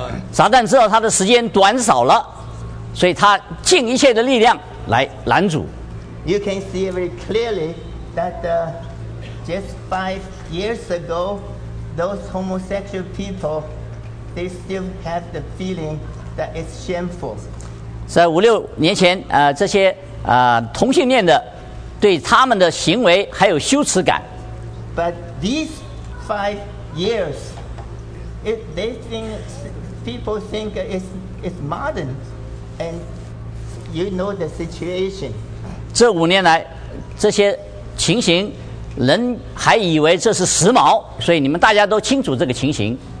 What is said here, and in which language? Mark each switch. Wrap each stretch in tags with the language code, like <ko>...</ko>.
<zh>撒旦知道他的时间短少了，所以他尽一切的力量来拦阻。</zh> <en>You can see very clearly that just 5 years ago, those homosexual people, they still have the feeling that it's shameful.</en> <zh>在五六年前，这些同性恋的对他们的行为还有羞耻感。</zh> <en>But these 5 years. If they think people think it's modern, and you know the situation.</en> <zh>这五年来，这些情形，人还以为这是时髦，所以你们大家都清楚这个情形。</zh>